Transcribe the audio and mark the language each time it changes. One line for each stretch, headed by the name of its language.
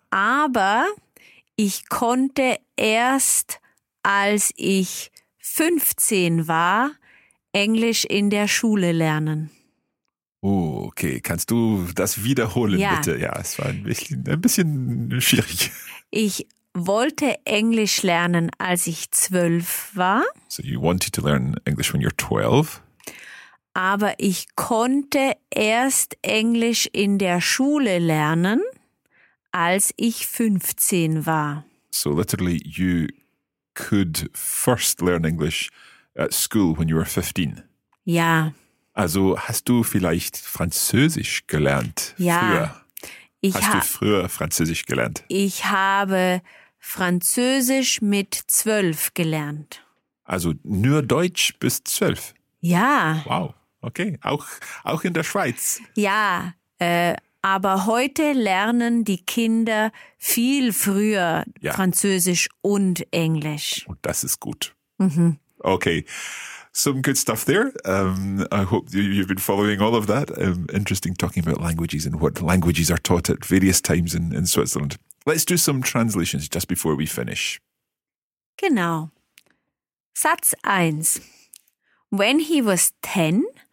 German: Aber ich konnte erst, als ich 15 war, Englisch in der Schule lernen. Oh, okay. Kannst du das wiederholen, bitte? Ja, es war ein bisschen schwierig. Ich wollte Englisch lernen, als ich 12 war.
English: So you wanted to learn English when you're 12?
German: Aber ich konnte erst Englisch in der Schule lernen, als ich 15 war.
English: So literally, you could first learn English at school when you were 15.
German: Ja. Also hast du vielleicht Französisch gelernt früher? Hast du früher Französisch gelernt? Ich habe Französisch mit 12 gelernt. Also nur Deutsch bis 12? Ja. Wow, okay. Auch in der Schweiz? Ja, aber heute lernen die Kinder viel früher Französisch und Englisch. Und das ist gut. Mhm.
English: Okay, some good stuff there. I hope you've been following all of that. Interesting talking about languages and what languages are taught at various times in Switzerland. Let's do some translations just before we finish.
German: Genau. Satz 1.
English: When he was 10...